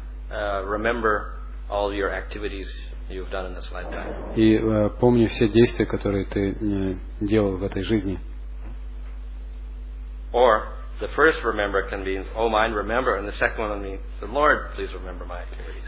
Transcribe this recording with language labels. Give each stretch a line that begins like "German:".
English: Remember all your activities you've done in this lifetime.
Russian: И помни все действия, которые ты делал в этой жизни.
English: Or the first remember can be oh mind remember and the second one means the Lord please remember my activities.